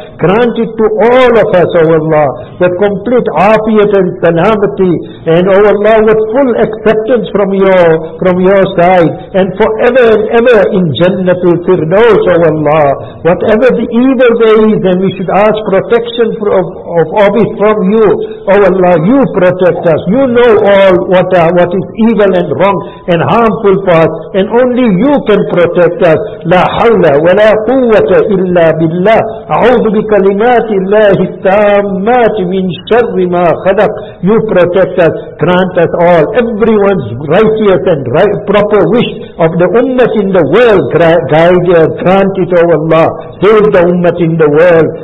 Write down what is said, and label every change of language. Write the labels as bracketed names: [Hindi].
[English] Grant it to all of us, O Allah. The complete afiyat and salamati, and O Allah, with full acceptance from your side, and forever and ever in Jannatul Firdaus, O Allah. Whatever the evil there is, then we should ask protection from you. O Allah, you protect us. You know all what is evil and wrong and harmful for us. And only you can protect us. [Arabic] لا حول ولا قوة إلا بالله أعوذ بكلمات الله التامات من شر ما خلق. [English] You protect us. Grant us all everyone's righteous and proper wish of the ummah in the world. Guide us. Grant it, O Allah. Save the ummah in the world.